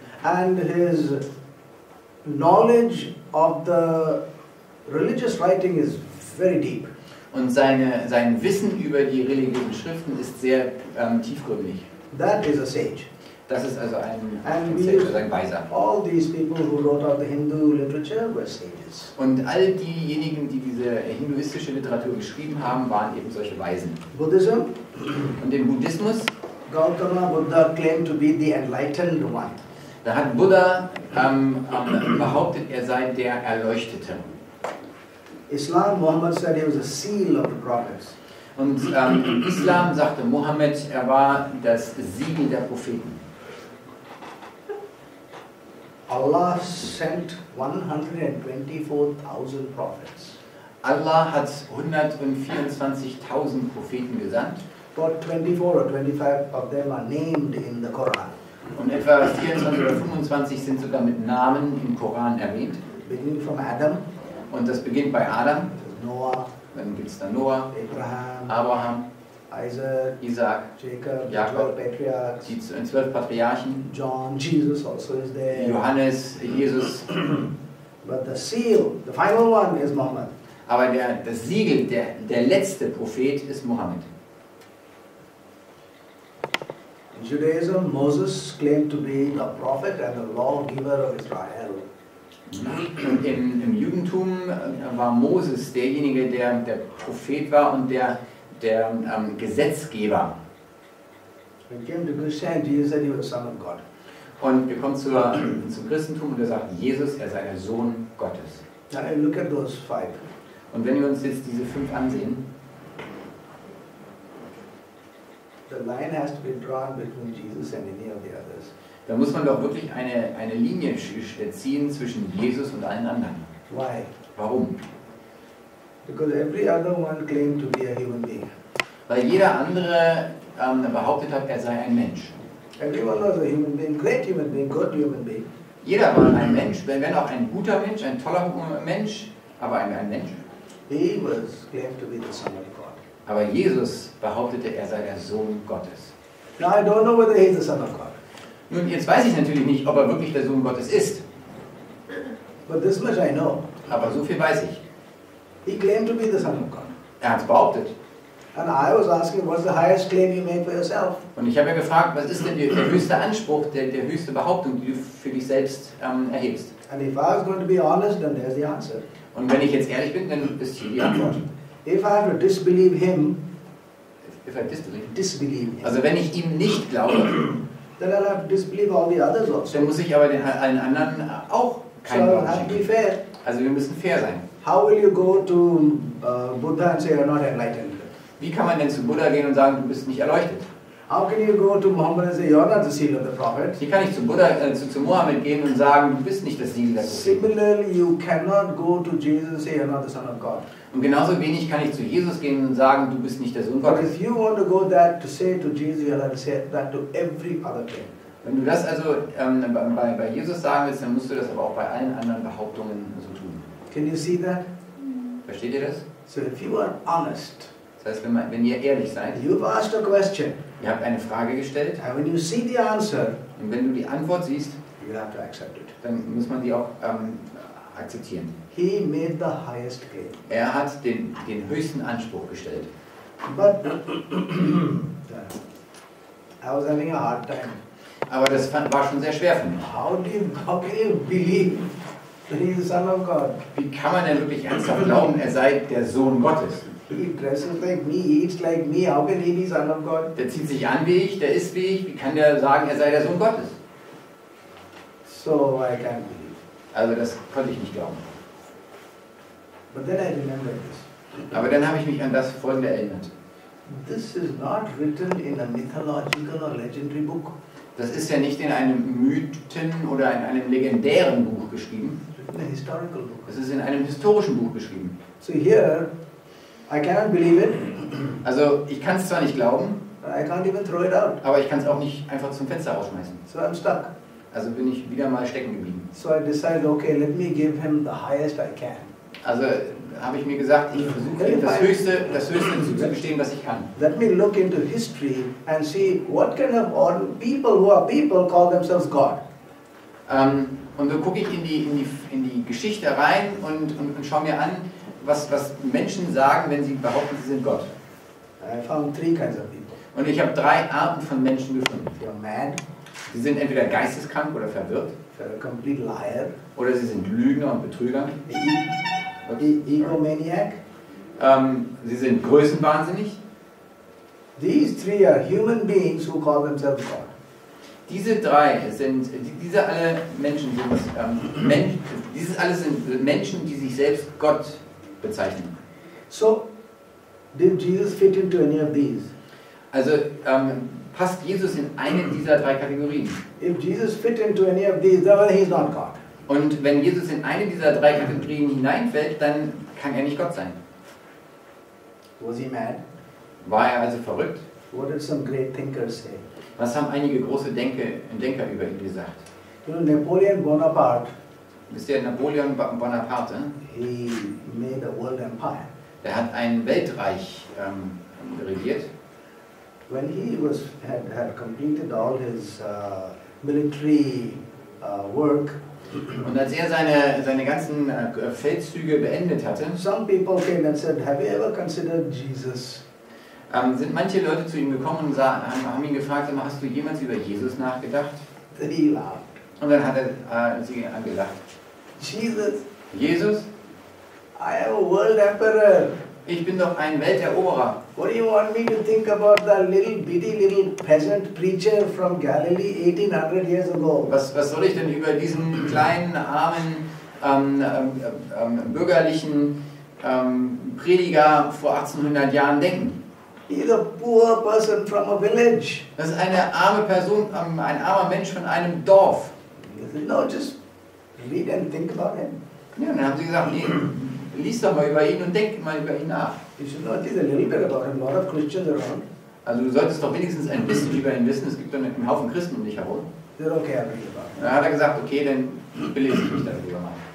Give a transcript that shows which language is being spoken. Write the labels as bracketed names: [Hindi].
[English] And his knowledge of the religious writing is very deep. [German] Und sein Wissen über die religiösen Schriften ist sehr tiefgründig. [English] That is a sage. [German] Das ist also ein Weiser. [English] All these people who wrote out the Hindu literature were sages. [German] Und all diejenigen, die diese hinduistische Literatur geschrieben haben, waren eben solche Weisen. [English] Buddhism. [German] Und im Buddhismus. [English] Gautama Buddha claimed to be the enlightened one. [German] Da hat Buddha behauptet, er sei der Erleuchtete. [English] Islam, Muhammad said he was a seal of the prophets. [German] Und im Islam sagte Muhammad, er war das Siegel der Propheten. [English] Allah sent 124,000 prophets. [German] Allah hat 124,000 Propheten gesandt. [English] About 24 or 25 of them are named in the Quran. [German] Und etwa 24 oder 25 sind sogar mit Namen im Koran erwähnt. [English] Beginning from Adam. [German] Und das beginnt bei Adam. [English] Noah. [German] Dann gibt's da Noah. [English] Abraham. [German] Abraham. [English] Isaac, Jacob, Patriarchs, [German] die 12 Patriarchen, [English] John, Jesus also is there, [German] Johannes, Jesus. [English] But the seal, the final one is Muhammad. [German] Aber das Siegel, der letzte Prophet ist Mohammed. [English] In Judaism, Moses claimed to be the prophet and the lawgiver of Israel. [German] Im Judentum war Moses derjenige, der Prophet war und der Gesetzgeber. [English] He came to Christianity, he said he was son of God. [German] Und wir kommen zum Christentum und er sagt, Jesus, er sei der Sohn Gottes. [English] Now look at those five. [German] Und wenn wir uns jetzt diese fünf ansehen, [English] the line has to be drawn between Jesus and any of the others. [German] Da muss man doch wirklich eine Linie ziehen zwischen Jesus und allen anderen. [English] Why? [German] Warum? [English] Because every other one claimed to be a human being. [German] Weil jeder andere behauptet hat, er sei ein Mensch. [English] Everyone was a human being, great human being, good human being. [German] Jeder war ein Mensch, wenn auch ein guter Mensch, ein toller Mensch, aber ein Mensch. [English] He was claimed to be the Son of God. [German] Aber Jesus behauptete, er sei der Sohn Gottes. [English] Now I don't know whether he is the Son of God. [German] Nun, jetzt weiß ich natürlich nicht, ob er wirklich der Sohn Gottes ist. [English] But this much I know. [German] Aber so viel weiß ich. [English] He claimed to be the Son of God. [German] Er hat es behauptet. [English] And I was asking, what's the highest claim you made for yourself? [German] Und ich habe ja gefragt, was ist denn der höchste Anspruch, der höchste Behauptung, die du für dich selbst erhebst? [English] And if I was going to be honest, then there's the answer. [German] Und wenn ich jetzt ehrlich bin, dann ist hier die Antwort. [English] If I have to disbelieve him, if I disbelieve him. [German] Also wenn ich ihm nicht glaube, [English] then I'll have to disbelieve all the others also. [German] Dann muss ich aber den allen anderen auch keinen [English] so [German] Glauben [English] have to be fair. [German] Also wir müssen fair sein. [English] How will you go to Buddha and say you're not enlightened? [German] Wie kann man denn zu Buddha gehen und sagen, du bist nicht erleuchtet? [English] How can you go to Muhammad and say you're not the seal of the prophet? [German] Wie kann ich zu Buddha, zu Muhammad gehen und sagen, du bist nicht das Siegel der Propheten? [English] Similarly, you cannot go to Jesus and say you're not the son of God. [German] Und genauso wenig kann ich zu Jesus gehen und sagen, du bist nicht der Sohn Gottes. [English] But if you want to go that to say to Jesus, you'll have to say that to every other thing. [German] Wenn du das also bei Jesus sagen willst, dann musst du das aber auch bei allen anderen Behauptungen so tun. [English] Can you see that? [German] Versteht ihr das? [English] So if you are honest. [German] Das heißt, wenn ihr ehrlich seid, [English] you've asked a question. [German] Ihr habt eine Frage gestellt, [English] and when you see the answer, [German] und wenn du die Antwort siehst, [English] you have to accept it. [German] Dann muss man die auch akzeptieren. [English] He made the highest claim. [German] Er hat den höchsten Anspruch gestellt. [English] But, I was having a hard time. [German] Aber das war schon sehr schwer für mich. [English] How can you believe that he is the Son of God? [German] Wie kann man denn wirklich ernsthaft glauben, er sei der Sohn Gottes? [English] He dresses like me, eats like me. How can he be son of God? [German] Der zieht sich an wie ich, der isst wie ich. Wie kann der sagen, er sei der Sohn Gottes? [English] So I can't believe. [German] Also das konnte ich nicht glauben. [English] But then I remember this. [German] Aber dann habe ich mich an das Folgende erinnert. [English] This is not written in a mythological or legendary book. [German] Das ist ja nicht in einem Mythen oder in einem legendären Buch geschrieben. [English] It's in a historical book. [German] Es ist in einem historischen Buch geschrieben. [English] So here. I cannot believe it. [German] Also ich kann es zwar nicht glauben, [English] I can't even throw it out. [German] Aber ich kann es auch nicht einfach zum Fenster rausschmeißen. [English] So I'm stuck. [German] Also bin ich wieder mal stecken geblieben. [English] So I decided, okay, let me give him the highest I can. [German] Also habe ich mir gesagt, ich versuche ihm das höchste zu bestehen, was ich kann. [English] Let me look into history and see what kind of people who are people call themselves God. [German] Und so gucke ich in die Geschichte rein und schaue mir an, was Menschen sagen, wenn sie behaupten, sie sind Gott. [English] I found three kinds of people. [German] Und ich habe drei Arten von Menschen gefunden. [English] They are mad. [German] Sie sind entweder geisteskrank oder verwirrt. [English] They're a complete liar. [German] Oder sie sind Lügner und Betrüger. [English] Egomaniac. [German] Sie sind größenwahnsinnig. [English] These three are human beings who call themselves God. [German] Diese drei sind, diese alle Menschen sind, dieses alles sind Menschen, die sich selbst Gott bezeichnen. [English] So, did Jesus fit into any of these? [German] Also, passt Jesus in eine dieser drei Kategorien? [English] If Jesus fit into any of these, then he's not God. [German] Und wenn Jesus in eine dieser drei Kategorien hineinfällt, dann kann er nicht Gott sein. [English] Was he mad? [German] War er also verrückt? [English] What did some great thinkers say? [German] Was haben einige große Denker über ihn gesagt? [English] You know, Napoleon Bonaparte. [German] Wisst ihr, Napoleon Bonaparte, [English] he made a world empire. [German] Der hat ein Weltreich regiert. [English] when he was had completed all his military work. [German] Und als er seine ganzen Feldzüge beendet hatte, [English] some people came and said, "Have you ever considered Jesus?" [German] Sind manche Leute zu ihm gekommen und haben ihn gefragt, hast du jemals über Jesus nachgedacht? [English] Then he laughed. [German] Und dann hat er sie angelacht. [English] Jesus. [German] Jesus. [English] I am a world emperor. [German] Ich bin doch ein Welteroberer. [English] What do you want me to think about that little bitty little peasant preacher from Galilee 1800 years ago? [German] Was soll ich denn über diesen kleinen armen bürgerlichen Prediger vor 1800 Jahren denken? [English] He's a poor person from a village. [German] Das ist eine arme Person, ein armer Mensch von einem Dorf. [English] No, just read and think about him. [German] Ja, dann haben sie gesagt, lies doch mal über ihn und denk mal über ihn nach. [English] You should know a little bit about him. A lot of Christians around. [German] Also du solltest doch wenigstens ein bisschen über ihn wissen. Es gibt doch einen Haufen Christen um dich herum. [English] They're okay, I'll read about him. [German] Dann hat er gesagt, okay, dann belese ich mich darüber mal.